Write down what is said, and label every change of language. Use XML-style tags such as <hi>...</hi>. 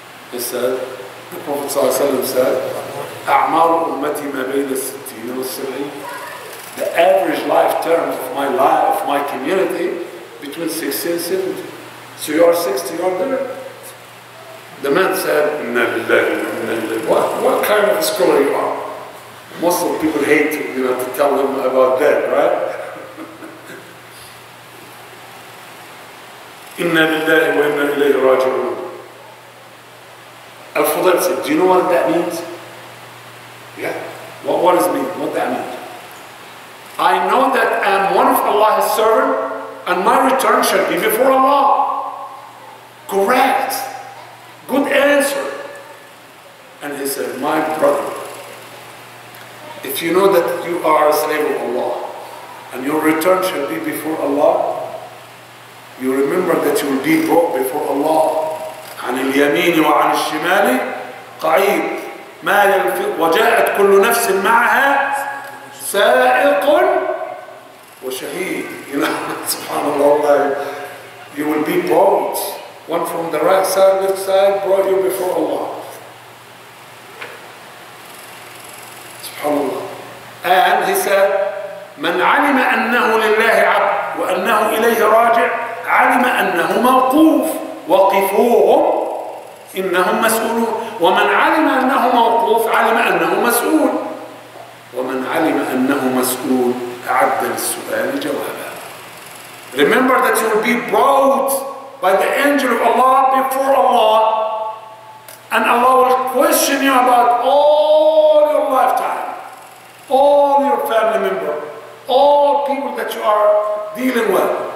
<en>He said, the Prophet said,</en> <ar>أعمار أمتي ما بين الستين والسبعين.</ar> <en>The average life term of my life, of my community, between 60 and 70. So you are 60, you are there. The man said, what kind of scholar you are? Most of the people hate to, to tell them about that, right?</en> <ar>إِنَّ لِلَّهِ وَإِنَّ إِلَيْهِ رَاجِعُونَ.</ar> <en>Al-Fudayl said, do you know what that means? Yeah. What does it mean? What that means? I know that I'm one of Allah's servant and my return shall be before Allah. Correct. Good answer. And he said, my brother, if you know that you are a slave of Allah and your return shall be before Allah, you remember that you will be brought before Allah.</en> <ar>عن اليمين وعن الشمال قعيد ما وجاءت كل نفس معها سائق وشهيد. سبحان الله.</ar> <en>You will be brought, one from the right side, left side, brought you before Allah.</en> <ar>سبحان الله.</ar> <en>And he said,</en> <ar>من علم أنه لله عبد وأنه إليه راجع علم أنه موقوف وقفوهم إنهم مسؤولون. ومن علم أنه موقوف علم أنه مسؤول. ومن علم أنه مسؤول أعد للسؤال جوابا.</ar> <en>Remember that you will be brought by the angel of Allah before Allah, and Allah will question you about all your lifetime, all your family member, all people that you are dealing with.</en>